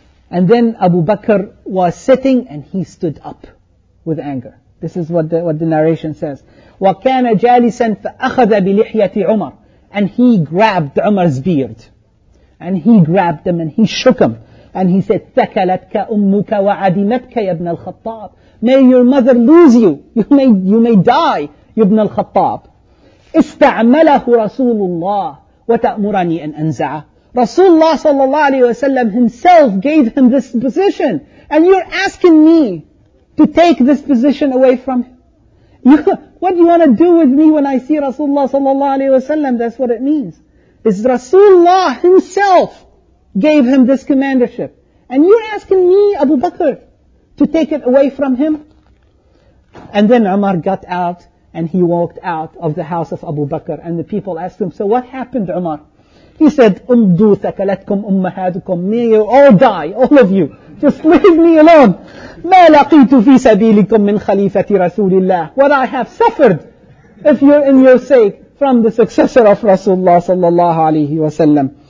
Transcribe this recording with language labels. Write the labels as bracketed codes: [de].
[en] And then Abu Bakr was sitting and he stood up with anger. This is what the narration says. [ar] وَكَانَ جَالِسًا فَأَخَذَ بِلِحْيَةِ عُمَرٍ. [en] And he grabbed Umar's beard. And he grabbed him and he shook him. And he said, [ar] ثَكَلَتْكَ أُمُّكَ وَعَدِمَتْكَ يَبْنَ الْخَطَّابِ. [en] May your mother lose you. You may die, [ar] يَبْنَ الْخَطَّابِ. اسْتَعْمَلَهُ رَسُولُ اللَّهِ وَتَأْمُرَنِي أَنْ أَنْزَعَ. [en] Rasulullah sallallahu alayhi wa sallam himself gave him this position. And you're asking me to take this position away from him. What do you want to do with me when I see Rasulullah sallallahu alayhi wa sallam? That's what it means. It's Rasulullah himself gave him this commandership. And you're asking me, Abu Bakr, to take it away from him? And then Umar got out and he walked out of the house of Abu Bakr. And the people asked him, so what happened, Umar? He said, [ar] أُمْدُوا ثَكَلَتْكُمْ أُمَّهَادُكُمْ. [en] May you all die, all of you. Just leave me alone. [ar] مَا لَقِيتُ فِي سَبِيلِكُمْ مِنْ خَلِيفَةِ رَسُولِ اللَّهِ. [en] What I have suffered, if you're in your sake, from the successor of Rasulullah sallallahu alayhi wa sallam.